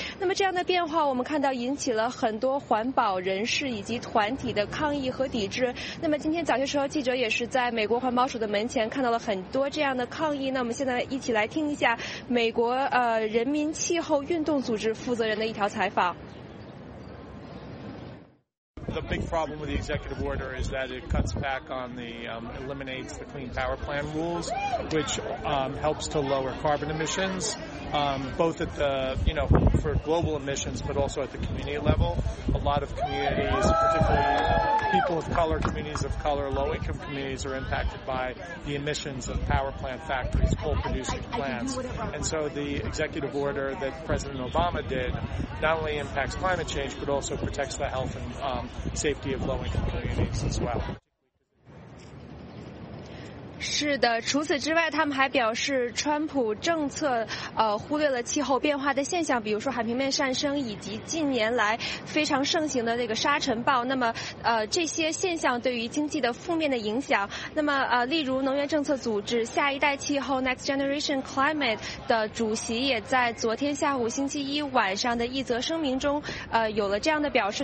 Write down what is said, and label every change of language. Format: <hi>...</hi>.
<zh>那么这样的变化，我们看到引起了很多环保人士以及团体的抗议和抵制。那么今天早些时候，记者也是在美国环保署的门前看到了很多这样的抗议。那我们现在一起来听一下美国人民气候运动组织负责人的一条采访。</zh> <en>The big problem with the executive order is that it cuts back on the, eliminates the Clean Power Plan rules, which, helps to lower carbon emissions, both at the, you know, for global emissions, but also at the community level. A lot of communities, particularly people of color, communities of color, low-income communities are impacted by the emissions of power plant factories, coal-producing plants. And so the executive order that President Obama did not only impacts climate change, but also protects the health and, safety of low-income communities as well.</en> <zh>是的，除此之外，他们还表示，川普政策忽略了气候变化的现象，比如说海平面上升以及近年来非常盛行的这个沙尘暴。那么这些现象对于经济的负面的影响，那么例如能源政策组织下一代气候 Next Generation Climate 的主席也在昨天下午星期一晚上的一则声明中有了这样的表示。</zh>